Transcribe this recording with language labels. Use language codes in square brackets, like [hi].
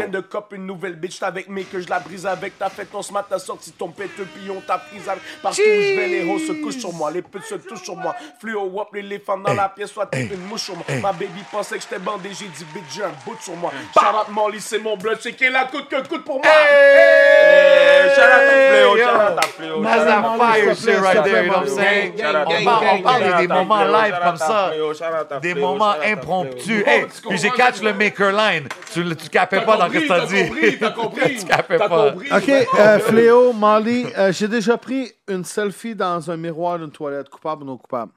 [fr] J'ai de cop une nouvelle bitch, t'es avec mais que je la brise avec. T'as fait ton smart, t'as sorti ton pète, puis on t'a prise avec. Partout où je vais, les hauts se couchent sur moi, les putes se touchent sur moi. Fluo wop, l'éléphant dans la pièce, soit t'es une mouche sur moi. Ma baby pensait que bandé, j'ai dit bitch, j'ai un bout sur moi. Charlotte Molly, c'est mon blood, c'est qu'elle a coûte que coûte pour moi. Charlotte Fléau, Charlotte Fléau. [en] That's that fire shit right there, you know what I'm saying? [fr] On parle des moments live comme ça, des moments impromptus. Hey, puis j'ai catch le maker line. Tu capais pas dans ce que t'as dit. T'as compris. Ok, Fléau, Molly, j'ai déjà pris une selfie dans un miroir d'une toilette. Coupable ou non coupable?